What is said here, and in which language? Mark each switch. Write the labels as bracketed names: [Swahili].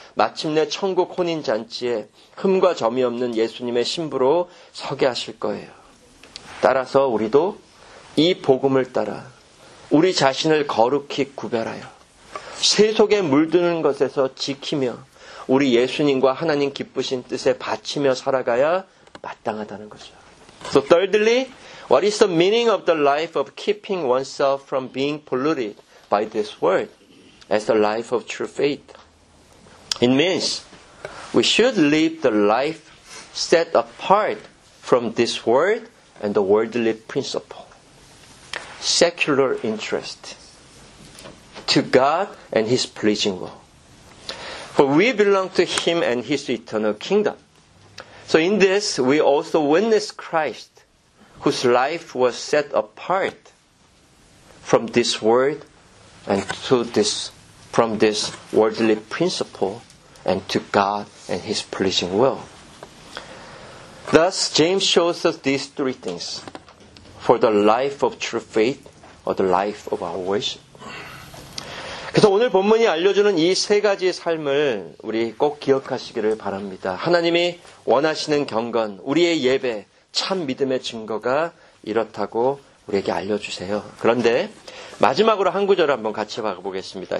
[Korean] 마침내 천국 혼인잔치에 흠과 점이 없는 예수님의 신부로 서게 하실 거예요. 따라서 우리도 이 복음을 따라 우리 자신을 거룩히 구별하여 세속에 물드는 것에서 지키며 우리 예수님과 하나님 기쁘신 뜻에 바치며 살아가야 마땅하다는 거죠. [English] So thirdly, what is the meaning of the life of keeping oneself from being polluted by this world as the life of true faith? It means we should live the life set apart from this world and the worldly principle. Secular interest to God and His pleasing will. For we belong to Him and His eternal kingdom. So in this, we also witness Christ whose life was set apart from this world and to this, from this worldly principle and to God and His pleasing will. Thus, James shows us these three things for the life of true faith or the life of our worship. [Korean] 그래서 오늘 본문이 알려주는 이 세 가지 삶을 우리 꼭 기억하시기를 바랍니다. 하나님이 원하시는 경건, 우리의 예배, 참 믿음의 증거가 이렇다고 우리에게 알려주세요. 그런데 마지막으로 한 구절 한번 같이 봐보겠습니다.